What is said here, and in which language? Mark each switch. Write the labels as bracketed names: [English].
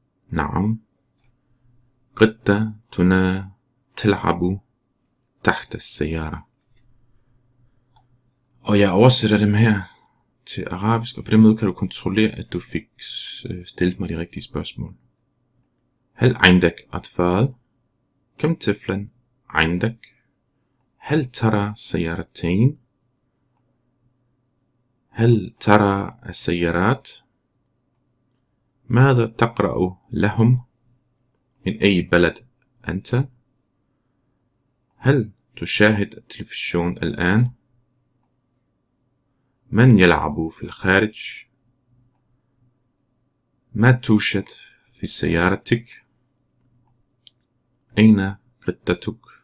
[Arabic] نعم، قطتنا تلعب تحت السيارة. [Danish] Og jeg oversætter dem her til arabisk, og på den måde kan du kontrollere, at du fik stillet mig de rigtige spørgsmål. [Arabic] هل عندك أطفال؟ كم طفلا عندك؟ هل ترى سيارتين؟ هل ترى السيارات؟ ماذا تقرأ لهم؟ من أي بلد أنت؟ هل تشاهد التلفزيون الآن؟ من يلعب في الخارج؟ ما توجد في سيارتك؟ أين قطتك؟